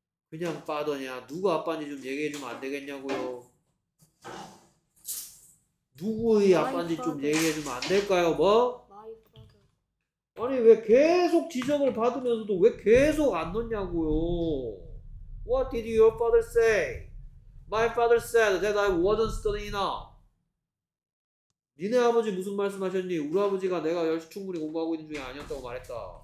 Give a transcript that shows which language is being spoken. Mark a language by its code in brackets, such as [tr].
[ko] 그냥 father냐? 누구 아빠인지 좀 얘기해주면 안 되겠냐고요? 누구의 [en] My [ko] 아빠인지 좀 [en] father. [ko] 얘기해주면 안 될까요? 뭐? [en] My father. [ko] 아니 왜 계속 지적을 받으면서도 왜 계속 안 넣냐고요? [en] What did your father say? My father said that I wasn't studying enough. [ko] 니네 아버지 무슨 말씀하셨니? 우리 아버지가 내가 열심히 충분히 공부하고 있는 중에 아니었다고 말했다.